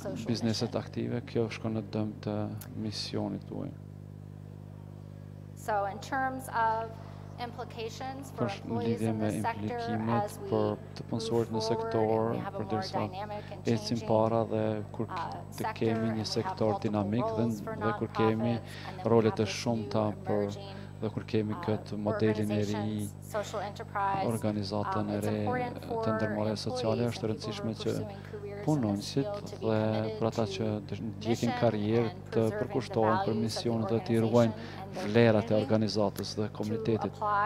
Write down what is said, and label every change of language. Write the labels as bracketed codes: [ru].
[sq] bizneset aktive, kjo shkon në dëm të misionit tuaj. [en] So in terms of implications for employees in the sector as we move forward and we have a more dynamic and changing sector and we have multiple roles for non-profits and then we have this role that's emerging [sq] dhe kur kemi këtë modelin e ri, organizatën e re të ndërmore sociale, është rëndësishme që punonjësit dhe për ata që ndjekin karrierë të përkushtohen për misionin dhe të ruajnë vlerat e organizatës dhe komunitetit.